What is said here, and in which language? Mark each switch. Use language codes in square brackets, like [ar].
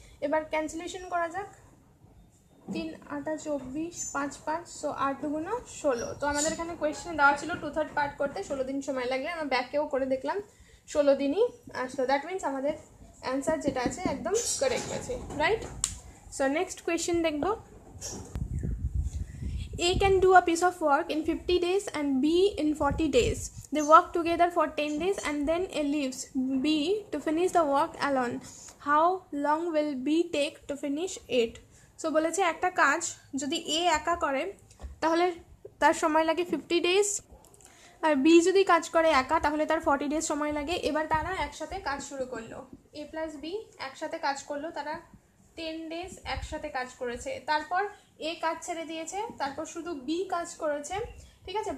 [bn] এবার ক্যান্সেলেশন করা যাক, 3/8 = 24, 5/5, সো 8 × 16। তো আমাদের এখানে কোয়েশ্চেন দেওয়া ছিল 2/3 পার্ট করতে 16 দিন সময় লাগে, আমরা ব্যাকেও করে দেখলাম 16 দিনই আসলো, দ্যাট মিন্স আমাদের অ্যান্সার যেটা আছে একদম কারেক্ট আছে, রাইট? সো নেক্সট কোয়েশ্চেন দেখবো, [en] A can do a piece of work in 50 days and B in 40 days. They work together for 10 days and then A leaves B to finish the work alone. How long will B take to finish it? [bn] So, বলেছে একটা কাজ যদি A একা করে তাহলে তার সময় লাগে 50 days, আর B যদি কাজ করে একা তাহলে তার 40 days সময় লাগে। এবার তারা একসাথে কাজ শুরু করলো, A প্লাস B একসাথে কাজ করলো, তারা 10 days একসাথে কাজ করেছে, তারপর এ কাজ ছেড়ে দিয়েছে, তারপর শুধু বি কাজ করেছে, ঠিক আছে?